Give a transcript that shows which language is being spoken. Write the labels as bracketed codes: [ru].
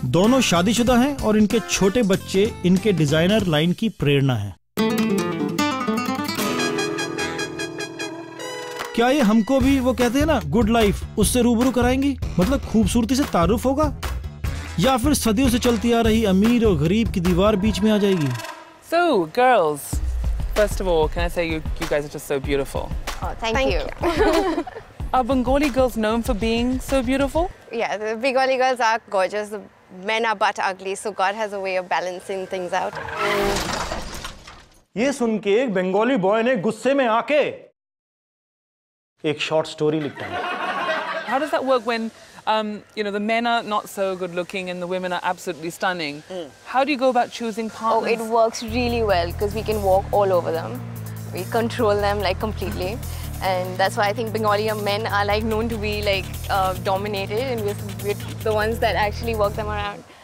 [hi] दोनों शादीशुदा हैं और इनके छोटे बच्चे इनके डिजाइनर लाइन की प्रेरणा हैं। क्या ये हमको भी वो कहते हैं ना गुड लाइफ उससे रूबरू कराएंगी, मतलब खूबसूरती से तारुफ होगा, या फिर सदियों से चलती आ रही अमीर और गरीब की दीवार बीच में आ जाएगी? [en] So, girls, first of all, can I say you guys are just so beautiful. Oh, thank you. Are Bengali girls known for being so beautiful? Yeah, the Bengali girls are gorgeous. The men are but ugly, so God has a way of balancing things out. [hi] ये सुनके एक Bengali boy ने गुस्से में आके एक short story लिख डाली. [en] How does that work when you know, the men are not so good looking and the women are absolutely stunning? Mm. How do you go about choosing partners? Oh, it works really well because we can walk all over them. We control them like completely. And that's why I think Bengali men are like known to be like dominated, and with the ones that actually work them around.